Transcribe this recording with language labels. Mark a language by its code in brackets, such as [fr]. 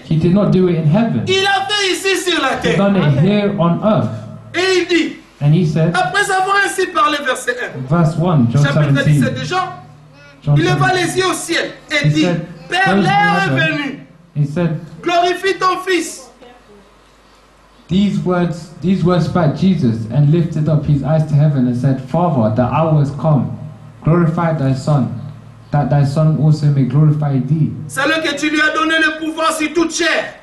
[en] He did not do it in heaven. [fr] Il l'a fait ici sur la terre. [en] He done it here on earth. [fr] Et il dit. [en] And he said. [fr] Après avoir ainsi parlé, verset 1. [en] Verse 1, John 17. [fr] Chapitre 17 de Jean. John il leva les yeux au ciel et dit, said, Père, l'heure est venue. [en] He said. [fr] Glorifie ton fils. [en] These words spoke Jesus and lifted up his eyes to heaven and said, Father, the hour has come. Glorify thy son, that thy son also may glorify thee. [fr] C'est là que tu lui as donné le pouvoir sur toute chair.